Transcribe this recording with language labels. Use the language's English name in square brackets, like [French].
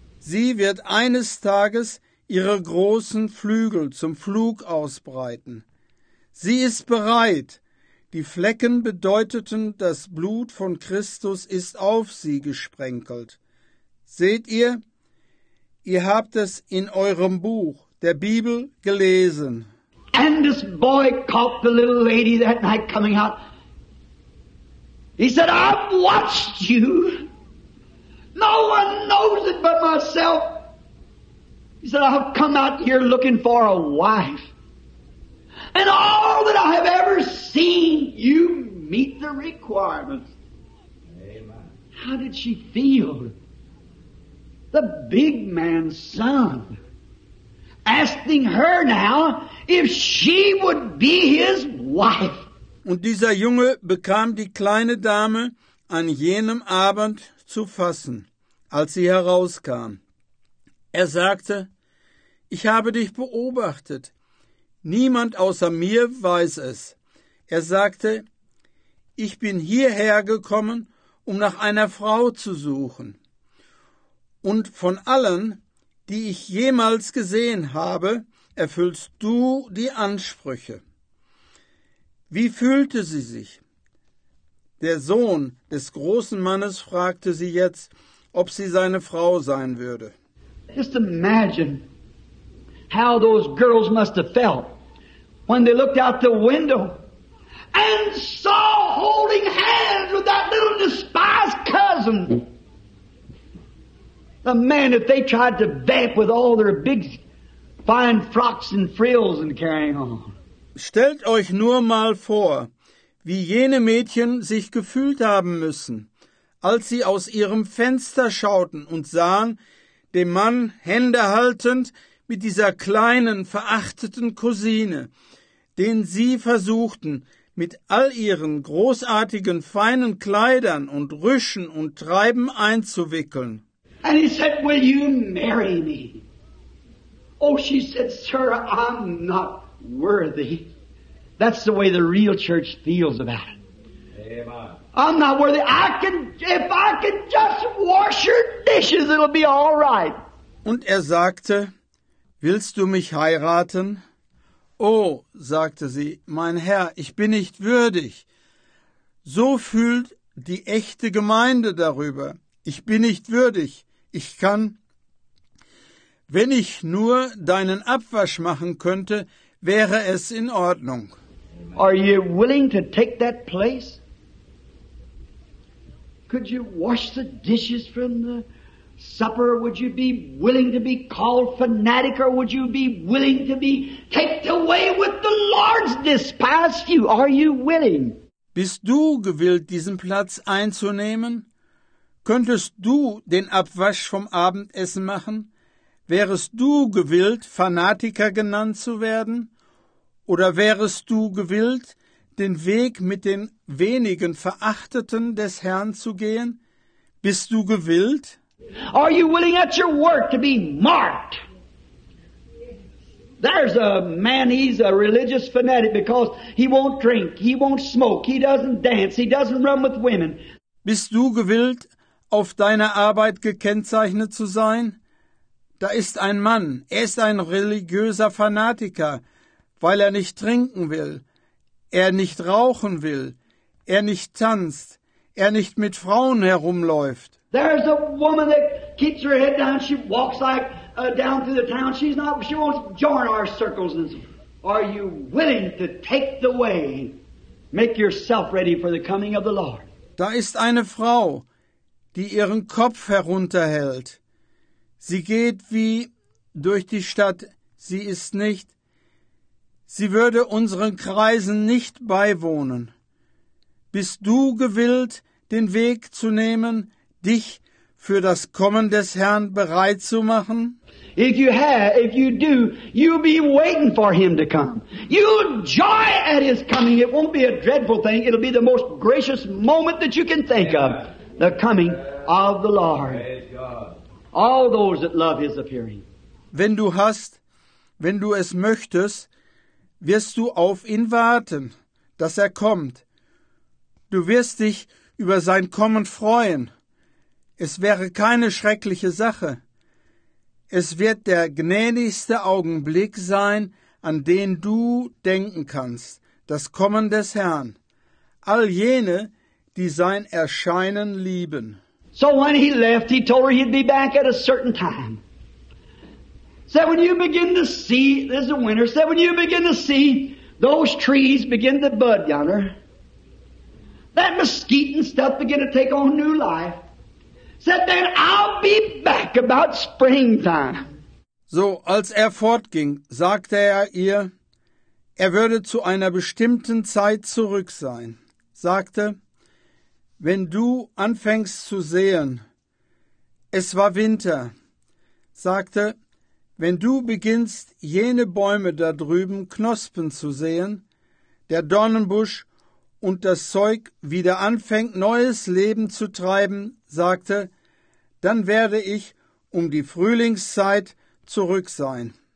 [German] Sie wird eines Tages ihre großen Flügel zum Flug ausbreiten. Sie ist bereit. Die Flecken bedeuteten, das Blut von Christus ist auf sie gesprenkelt. Seht ihr? Ihr habt es in eurem Buch, der Bibel, gelesen. [English] And this boy caught the little lady that night coming out. He said, I've watched you. No one knows it but myself. He said, I've come out here looking for a wife. And all that I have ever seen, you meet the requirements. Amen. How did she feel? The big man's son. Asking her now if she would be his wife. [German] Und dieser Junge bekam die kleine Dame an jenem Abend zu fassen, als sie herauskam. Er sagte, ich habe dich beobachtet. Niemand außer mir weiß es. Er sagte, ich bin hierher gekommen, um nach einer Frau zu suchen. Und von allen, die ich jemals gesehen habe, erfüllst du die Ansprüche. Wie fühlte sie sich? Der Sohn des großen Mannes fragte sie jetzt, ob sie seine Frau sein würde. [English] Just imagine how those girls must have felt when they looked out the window and saw holding hands with that little despised cousin. The man that they tried to vamp with all their big fine frocks and frills and carrying on. [German] Stellt euch nur mal vor, wie jene Mädchen sich gefühlt haben müssen, als sie aus ihrem Fenster schauten und sahen, dem Mann Hände haltend mit dieser kleinen, verachteten Cousine, den sie versuchten, mit all ihren großartigen, feinen Kleidern und Rüschen und Treiben einzuwickeln. [English] And he said, will you marry me? Oh, she said, sir, I'm not worthy. That's the way the real church feels about it. Amen. I'm not worthy. If I can just wash your dishes, it'll be all right. [German] Und er sagte, willst du mich heiraten? Oh, sagte sie, mein Herr, ich bin nicht würdig. So fühlt die echte Gemeinde darüber. Ich bin nicht würdig. Ich kann, wenn ich nur deinen Abwasch machen könnte, wäre es in Ordnung. [English] Are you willing to take that place? Could you wash the dishes from the supper? Would you be willing to be called fanatic? Or would you be willing to be taken away with the Lord's despised you? Are you willing? [German] Bist du gewillt, diesen Platz einzunehmen? Könntest du den Abwasch vom Abendessen machen? Wärest du gewillt, Fanatiker genannt zu werden? Oder wärest du gewillt, den Weg mit den wenigen Verachteten des Herrn zu gehen? Bist du gewillt? [English] Are you willing at your work to be marked? There's a man, he's a religious fanatic because he won't drink, he won't smoke, he doesn't dance, he doesn't run with women. [German] Bist du gewillt, auf deiner Arbeit gekennzeichnet zu sein? Da ist ein Mann, er ist ein religiöser Fanatiker, weil er nicht trinken will, er nicht rauchen will, er nicht tanzt, er nicht mit Frauen herumläuft. [English] There's a woman that keeps her head down, she walks like down through the town, she's not, she won't join our circles. Are you willing to take the way? Make yourself ready for the coming of the Lord. [German] Da ist eine Frau, die ihren Kopf herunterhält. Sie geht wie durch die Stadt, sie ist nicht. Sie würde unseren Kreisen nicht beiwohnen. Bist du gewillt, den Weg zu nehmen, dich für das Kommen des Herrn bereit zu machen? [English] If you have, if you do, you'll be waiting for him to come. You'll joy at his coming. It won't be a dreadful thing. It'll be the most gracious moment that you can think of. The coming of the Lord. All those that love his appearing. [German] Wenn du hast, wenn du es möchtest, wirst du auf ihn warten, dass er kommt. Du wirst dich über sein Kommen freuen. Es wäre keine schreckliche Sache. Es wird der gnädigste Augenblick sein, an den du denken kannst, das Kommen des Herrn. All jene, die sein Erscheinen lieben. [English] So when he left, he told her he'd be back at a certain time. Said, when you begin to see, this is the winter, said, when you begin to see those trees begin to bud yonder, that mesquite and stuff begin to take on new life. Said, then I'll be back about springtime. [German] So, als er fortging, sagte er ihr, er würde zu einer bestimmten Zeit zurück sein. Sagte, wenn du anfängst zu sehen, es war Winter, sagte, wenn du beginnst, jene Bäume da drüben Knospen zu sehen, der Dornenbusch und das Zeug wieder anfängt, neues Leben zu treiben, sagte, dann werde ich um die Frühlingszeit zurück sein.